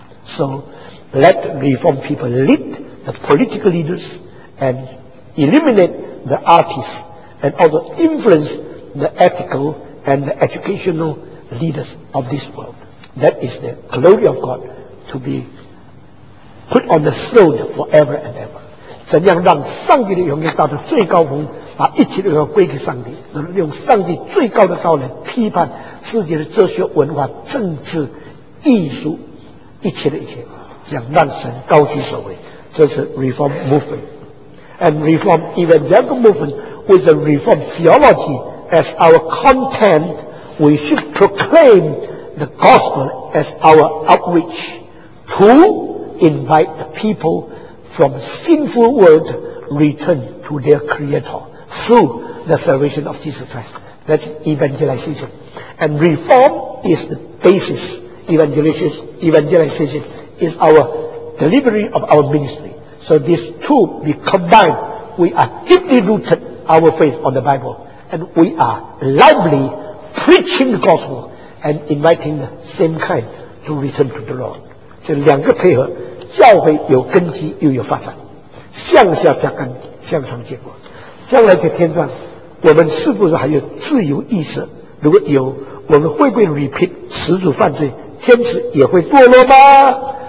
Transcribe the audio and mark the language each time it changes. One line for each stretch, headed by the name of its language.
English: So let reformed people lead the political leaders and eliminate the artists and also influence the ethical and the educational leaders of this world. That is the glory of God to be put on the throne forever and ever.
Chinese: 怎样让上帝的荣耀达到最高峰，把一切的荣耀归给上帝，用上帝最高的道来批判世界的哲学、文化、政治、艺术，一切的一切，想让神高居首位。这是
English: Reform Movement and Reform Evangelical Movement with the Reform Theology as our content. We should proclaim the gospel as our outreach to invite the people from sinful world return to their Creator through the salvation of Jesus Christ. That's evangelization. And reform is the basis. Evangelization is our delivery of our ministry. So these two be combined. We are deeply rooted our faith on the Bible. And we are lively preaching the gospel and inviting the same kind to return to the Lord.
Chinese: 这两个配合，教会有根基又有发展，向下扎根，向上结果。将来的天上，我们是不是还有自由意识？如果有，我们会不会 repeat 始祖犯罪？天使也会堕落吗？